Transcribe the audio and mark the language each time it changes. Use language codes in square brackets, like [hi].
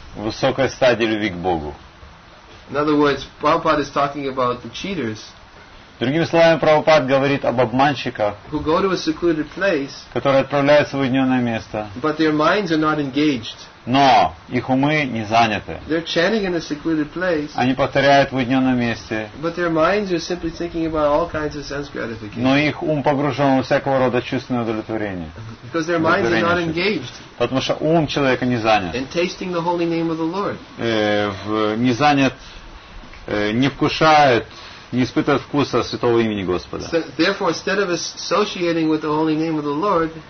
[ru] высокой стадии любви к Богу. [en] In other words, Prabhupada is talking about the cheaters. [ru] Другими словами, Прабхупад говорит об обманщиках, [en] who go to a secluded place, [ru] которые отправляются в уединенное место, [en] but their minds are not engaged. [ru] Но их умы не заняты. [en] They're chanting in a secluded place, [ru] они повторяют в уединенном месте, [en] but their minds are simply thinking about all kinds of sense gratification. [ru] Но их ум погружен во всякого рода чувственное удовлетворение. [en] Because their minds are not engaged. [ru] Потому что ум человека не занят. [en] In tasting the holy name of the Lord. [ru] Не занят, не вкушает, не испытывает вкуса святого имени Господа. [en] Therefore, instead of associating with the holy name of the Lord,